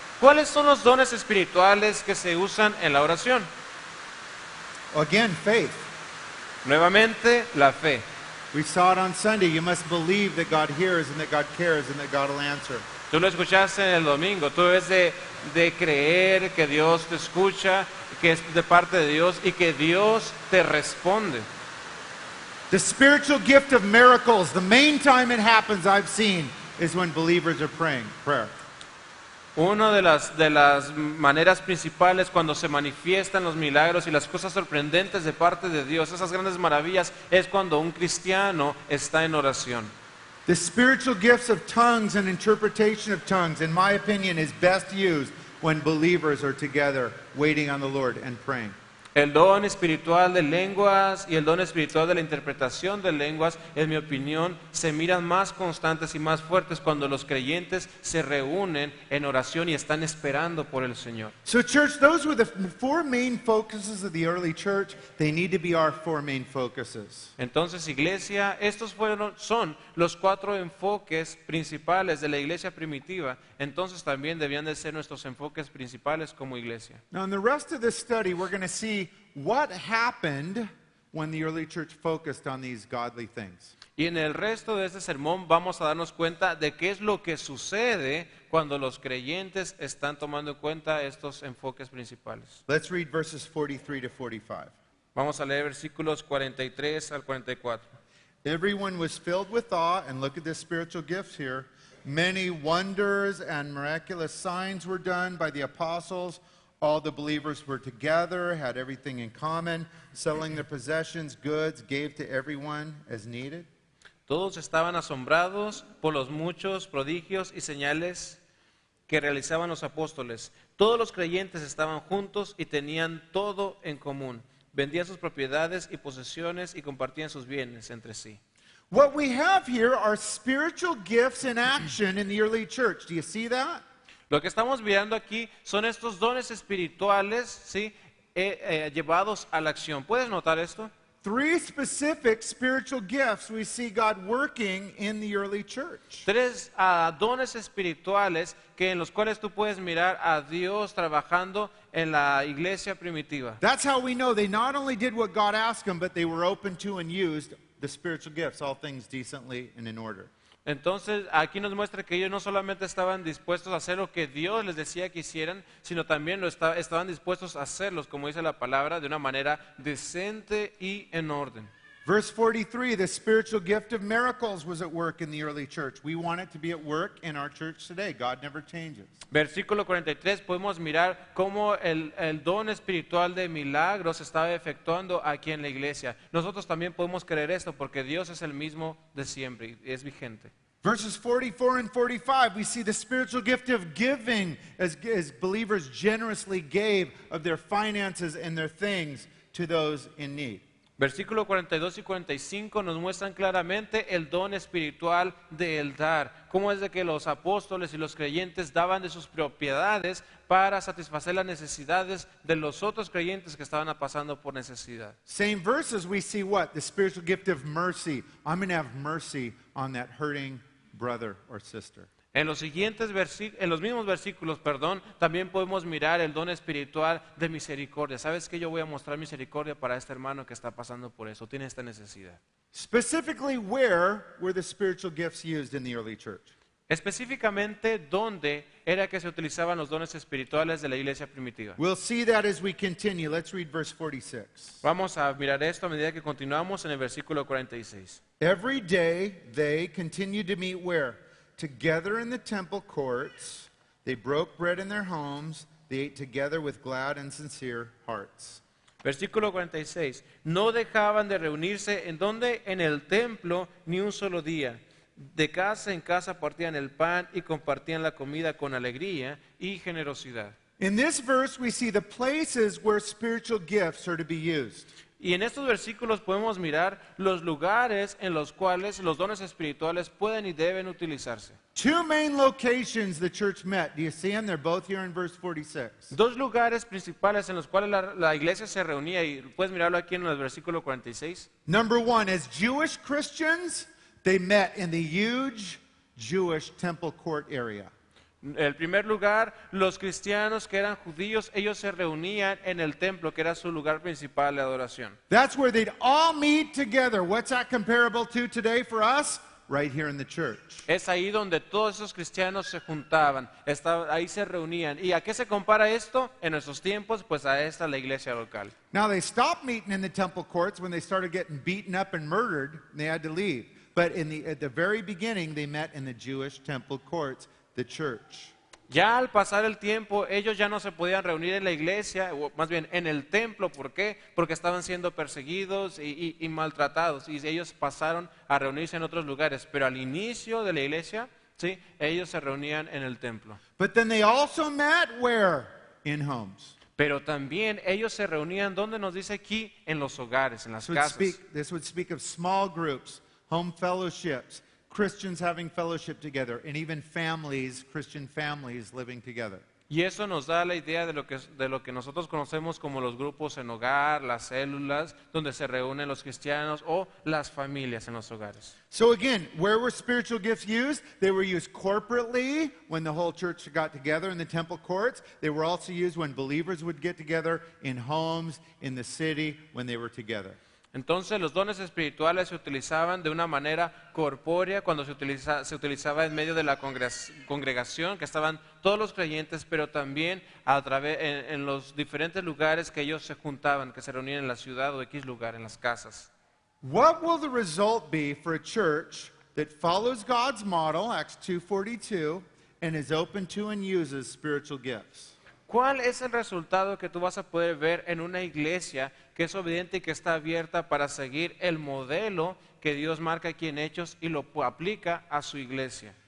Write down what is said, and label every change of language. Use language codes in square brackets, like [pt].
[es] ¿Cuáles son los dones espirituales que se usan en la oración? [en] Again, faith. [es] Nuevamente, la fe. [en] We saw it on Sunday. You must believe that God hears and that God cares and that God will answer. [es] Tú lo escuchaste en el domingo. Tú debes de creer que Dios te escucha, que es de parte de Dios y que Dios te responde. [en] The spiritual gift of miracles, the main time it happens I've seen is when believers are praying, prayer. [es] Una de las maneras principales cuando se manifiestan los milagros y las cosas sorprendentes de parte de Dios, esas grandes maravillas, es cuando un cristiano está en oración. [en] The spiritual gifts of tongues and interpretation of tongues, in my opinion, is best used when believers are together waiting on the Lord and praying. [es] El don espiritual de lenguas y el don espiritual de la interpretación de lenguas, en mi opinión, se miran más constantes y más fuertes cuando los creyentes se reúnen en oración y están esperando por el Señor. [en] So church, those were the four main focuses of the early church. They need to be our four main focuses. [es] Entonces, iglesia, estos son los cuatro enfoques principales de la iglesia primitiva. Entonces, también debían de ser nuestros enfoques principales como iglesia. [en] Now, in the rest of this study, we're going to see what happened when the early church focused on these godly things. [es] Y en el resto de este sermón vamos a darnos cuenta de qué es lo que sucede cuando los creyentes están tomando en cuenta estos enfoques principales. [en] Let's read verses 43 to 45. [es] Vamos a leer versículos 43 al 44. [en] Everyone was filled with awe, and look at the spiritual gifts here. Many wonders and miraculous signs were done by the apostles. All the believers were together, had everything in common, selling their possessions, goods, gave to everyone as needed. [es] Todos estaban asombrados por los muchos prodigios y señales que realizaban los apóstoles. Todos los creyentes estaban juntos y tenían todo en común. Vendían sus propiedades y posesiones y compartían sus bienes entre sí. [en] What we have here are spiritual gifts in action in the early church. Do you see that? [es] Lo que estamos mirando aquí son estos dones espirituales, ¿sí? Llevados a la acción. ¿Puedes notar esto? [en] Three specific spiritual gifts we see God working in the early church. [es] Tres dones espirituales que en los cuales tú puedes mirar a Dios trabajando en la iglesia primitiva. [en] That's how we know they not only did what God asked them, but they were open to and used the spiritual gifts, all things decently and in order. [es] Entonces, aquí nos muestra que ellos no solamente estaban dispuestos a hacer lo que Dios les decía que hicieran, sino también estaban dispuestos a hacerlos, como dice la palabra, de una manera decente y en orden. [en] Verse 43, the spiritual gift of miracles was at work in the early church. We want it to be at work in our church today. God never changes. [es] Versículo 43, podemos mirar cómo el don espiritual de milagros estaba efectuando aquí en la iglesia. Nosotros también podemos creer esto porque Dios es el mismo de siempre y es vigente. [en] Verses 44 and 45, we see the spiritual gift of giving as believers generously gave of their finances and their things to those in need. [es] Versículo 42 y 45 nos muestran claramente el don espiritual del dar. Cómo es de que los apóstoles y los creyentes daban de sus propiedades para satisfacer las necesidades de los otros creyentes que estaban pasando por necesidad. [en] Same verses we see what? The spiritual gift of mercy. I'm going to have mercy on that hurting brother or sister. [es] En los siguientes mismos versículos, también podemos mirar el don espiritual de misericordia. ¿Sabes qué? Yo voy a mostrar misericordia para este hermano que está pasando por eso, tiene esta necesidad. [en] Specifically, where were the spiritual gifts used in the early church? [es] Específicamente, ¿dónde era que se utilizaban los dones espirituales de la iglesia primitiva? [en] We'll see that as we continue. Let's read verse 46. [es] Vamos a mirar esto a medida que continuamos en el versículo 46. [en] Every day they continued to meet where? Together in the temple courts. They broke bread in their homes. They ate together with glad and sincere hearts. [es] Versículo 46. No dejaban de reunirse en donde? En el templo, ni un solo día. De casa en casa partían el pan y compartían la comida con alegría y generosidad. [en] In this verse we see the places where spiritual gifts are to be used. [es] Y en estos versículos podemos mirar los lugares en los cuales los dones espirituales pueden y deben utilizarse. [en] Two main locations the church met. Do you see them? They're both here in verse 46. [es] Dos lugares principales en los cuales la iglesia se reunía, y puedes mirarlo aquí en el versículo 46. [en] Number one, as Jewish Christians, they met in the huge Jewish temple court area. [es] El primer lugar, los cristianos que eran judíos, ellos se reunían en el templo, que era su lugar principal de adoración. [en] That's where they'd all meet together. What's that comparable to today for us? Right here in the church. [es] Es ahí donde todos esos cristianos se juntaban, ahí se reunían. ¿Y a qué se compara esto en nuestros tiempos? Pues a esta, la iglesia local. [en] Now they stopped meeting in the temple courts when they started getting beaten up and murdered, and they had to leave. But in the at the very beginning, they met in the Jewish temple courts, the church. [es] Ya al pasar el tiempo, ellos ya no se podían reunir en la iglesia, o más bien en el templo. ¿Por qué? Porque estaban siendo perseguidos y maltratados, y ellos pasaron a reunirse en otros lugares. Pero al inicio de la iglesia, sí, ellos se reunían en el templo. [en] But then they also met where? In homes. [es] Pero también ellos se reunían, ¿dónde nos dice aquí? En los hogares, en las casas. [en] This would speak of small groups, home fellowships, Christians having fellowship together, and even families, Christian families living together. [es] Y eso nos da la idea de lo que nosotros conocemos como los grupos en hogar, las células, donde se reúnen los cristianos, o las familias en los hogares. [en] So again, where were spiritual gifts used? They were used corporately when the whole church got together in the temple courts. They were also used when believers would get together in homes, in the city, when they were together. [es] Entonces los dones espirituales se utilizaban de una manera corpórea cuando se utilizaba en medio de la congregación, que estaban todos los creyentes, pero también a través en los diferentes lugares que ellos se juntaban, que se reunían en la ciudad o X lugar, en las casas. [en] What will the result be for a church that follows God's model, Acts 2:42, and is open to and uses spiritual gifts? [es] ¿Cuál es el resultado que tú vas a poder ver en una iglesia que es obediente y que está abierta para seguir el modelo que Dios marca aquí en Hechos y lo aplica a su iglesia?